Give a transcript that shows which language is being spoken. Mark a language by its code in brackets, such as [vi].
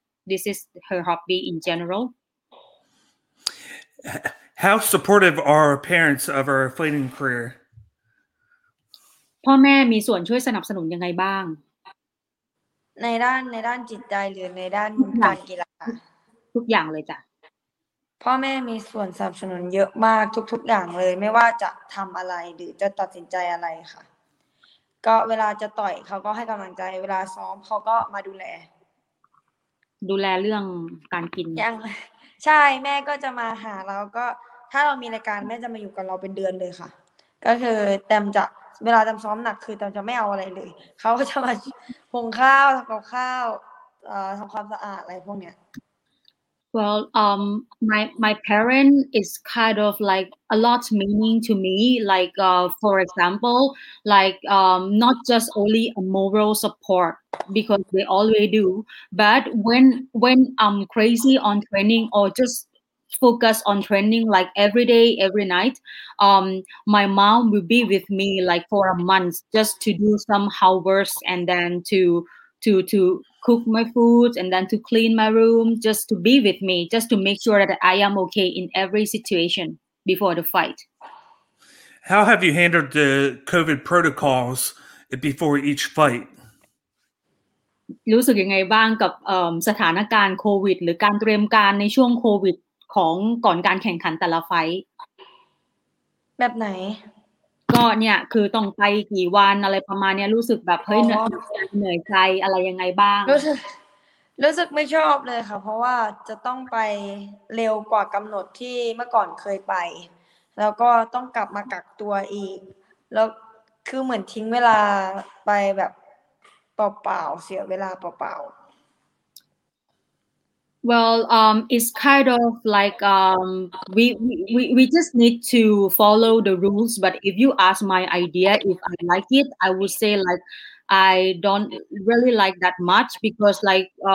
[en] This is her hobby in general. How supportive are her parents of her fighting career? [th] พ่อแม่มีส่วนช่วยสนับสนุนยังไงบ้าง ในด้านจิตใจหรือในด้านการกีฬา ทุกอย่างเลยจ้ะ พ่อแม่มีส่วนสนับสนุนเยอะมากทุกอย่างเลยไม่ว่าจะทำอะไรหรือจะตัดสินใจอะไรค่ะก็เวลาจะต่อยเขาก็ให้กำลังใจเวลาซ้อมเขาก็มาดูแล เรื่องการกิน ยังใช่แม่ก็จะมาหาเราก็ถ้าเรามีรายการแม่จะมาอยู่กับเราเป็นเดือนเลยค่ะก็คือเต็มจะเวลาจะซ้อมหนักคือเต็มจะไม่เอาอะไรเลยเขาก็จะมาหุงข้าวทำกับข้าวทำความสะอาดอะไรพวกเนี้ย [en] Well my parent is kind of likealot meaning to me, like for example, like not just only a moral support because they always do, but when I'm crazy on training or just focus on training like every day, every night, my mom will be with me like for a month just to do some housework and then to cook my food and then to clean my room, just to be with me, just to make sure that I am okay in every situationbefore the fight. How have you handled the COVID protocols before each fight? [th] รู้สึกยังไงบ้างกับสถานการณ์โควิดหรือการเตรียมการในช่วงโควิดของก่อนการแข่งขันแต่ละไฟ ท์แบบไหน ก็เนี่ยคือต้องไปกี่วันอะไรประมาณเนี้ยรู้สึกแบบเฮ้ยเหนื่อยใจอะไรยังไงบ้าง รู้สึกไม่ชอบเลยค่ะเพราะว่าจะต้องไปเร็วกว่ากำหนดที่เมื่อก่อนเคยไปแล้วก็ต้องกลับมากักตัวอีกแล้วคือเหมือนทิ้งเวลาไปแบบเปล่าๆเสียเวลาเปล่า [en] ๆ Well it's kind of like we just need to follow the rules but if you ask my idea if I like it I would say likeI don't really like that much because like